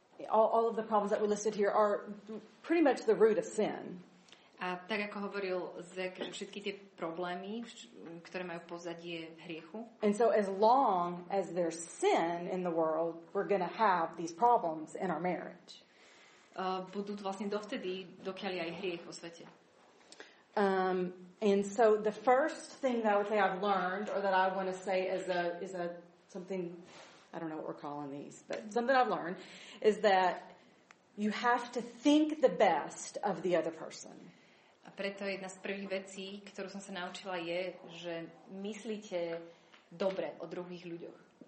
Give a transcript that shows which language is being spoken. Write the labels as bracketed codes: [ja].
[en] All of the problems that we listed here are pretty much the root of sin. [sk] A tak ako hovoril Zek, všetky tie problémy, ktoré majú pozadie v hriechu. [en] And so as long as there's sin in the world, we're going to have these problems in our marriage. [sk] Budú to vlastne dovtedy, dokiaľ je aj hriech vo svete. [en] And so the first thing that I would say I've learned or that I want to say is a something I don't know what we're calling these, but something I've learned is that you have to think the best of the other person. [sk] A preto jedna z prvých vecí, ktorú som sa naučila, je, že myslíte dobre o druhých ľuďoch.